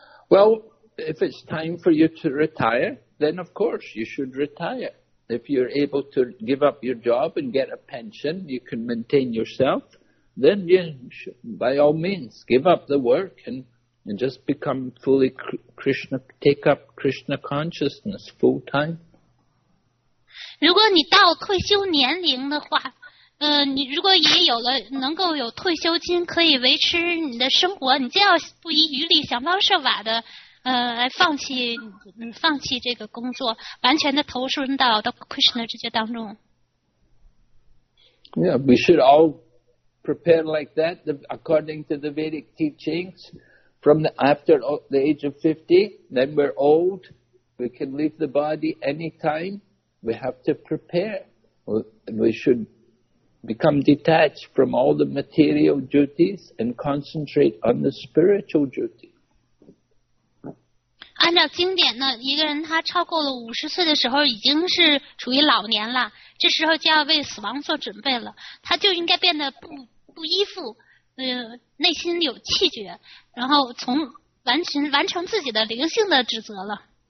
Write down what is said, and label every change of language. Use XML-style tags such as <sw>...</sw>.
<en>Well, if it's time for you to retire, then of course you should retire. If you're able to give up your job and get a pension, you can maintain yourself, then you should, by all means, give up the work and just become fully Krishna, take up Krishna consciousness full time.</en> <zh>如果你到退休年龄的话，你如果也有了能够有退休金可以维持你的生活，你就要不遗余力想方设法的，来放弃这个工作，完全的投身到 Krishna 这些当中。</zh> <en>Yeah, we should all prepare like that, according to the Vedic teachings. From after the age of 50, then we're old, we can leave the body anytime. We have to prepare. We should become detached from all the material duties and concentrate on the spiritual duty.</en> <zh>按照经典呢，一个人他超过了五十岁的时候，已经是处于老年了，这时候就要为死亡做准备了。他就应该变得不依附，内心有气绝，然后从完成自己的灵性的职责了。</zh>